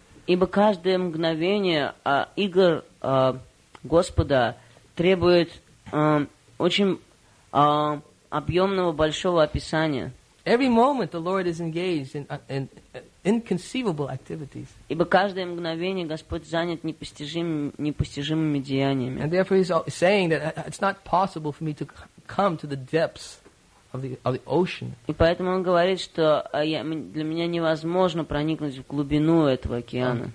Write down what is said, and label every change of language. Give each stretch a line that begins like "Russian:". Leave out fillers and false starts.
Russian: Ибо каждое мгновение игр Господа требует очень объемного большого описания.
English: Every moment the Lord is engaged in inconceivable activities.
Russian: Ибо каждое мгновение Господь занят непостижимыми деяниями.
English: And therefore he's saying that it's not possible for me to come to the depths of the ocean.
Russian: И поэтому он говорит, что для меня невозможно проникнуть в глубину этого океана.